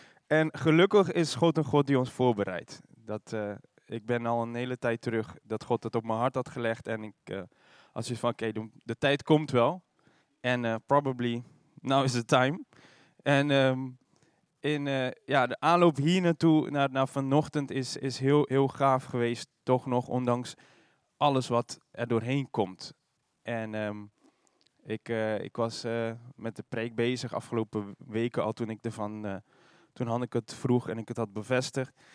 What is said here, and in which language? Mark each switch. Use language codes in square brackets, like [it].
[nl] En gelukkig is God een God die ons voorbereidt. Ik ben al een hele tijd terug dat God het op mijn hart had gelegd. En ik had zoiets van, oké, de tijd komt wel. [en] En probably now is the time. [nl] En de aanloop hier naartoe, naar vanochtend, is heel, heel gaaf geweest. Toch nog, ondanks alles wat er doorheen komt. En... Ik was met de preek bezig afgelopen weken al toen had ik het vroeg en ik het had bevestigd.